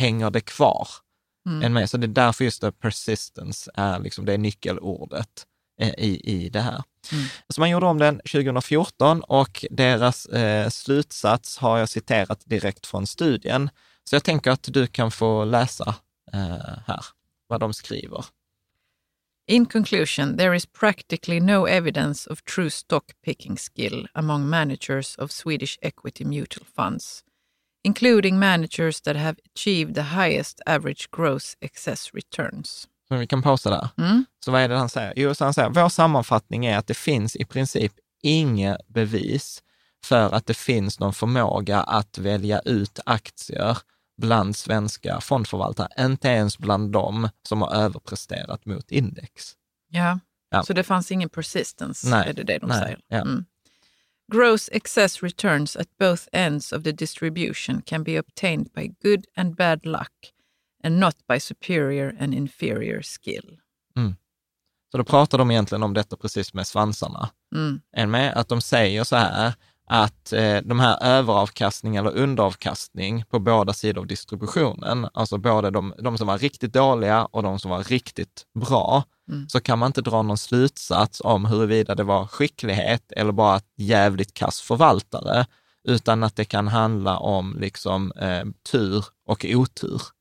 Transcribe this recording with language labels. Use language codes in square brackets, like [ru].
[sv] Hänger det kvar än mig? Så det är därför just det, persistence är liksom det nyckelordet i det här. Mm. Så man gjorde om den 2014, och deras slutsats har jag citerat direkt från studien. Så jag tänker att du kan få läsa här vad de skriver. [en] In conclusion, there is practically no evidence of true stock picking skill among managers of Swedish equity mutual funds, including managers that have achieved the highest average gross excess returns. [sv] Men vi kan pausa där. Mm. Så vad är det han säger? Jo, så han säger, vår sammanfattning är att det finns i princip inga bevis för att det finns någon förmåga att välja ut aktier bland svenska fondförvaltare. Inte ens bland dem som har överpresterat mot index. Ja. Så det fanns ingen persistence, nej, är det de, nej, säger? Ja. Mm. [en] Gross excess returns at both ends of the distribution can be obtained by good and bad luck, and not by superior and inferior skill. Mm. [sv] Så då pratar de egentligen om detta precis med svansarna. Mm. Än med att de säger så här att de här överavkastning eller underavkastning på båda sidor av distributionen, alltså både de som var riktigt dåliga och de som var riktigt bra, så kan man inte dra någon slutsats om huruvida det var skicklighet eller bara ett jävligt kass förvaltare, utan att det kan handla om liksom tur och otur.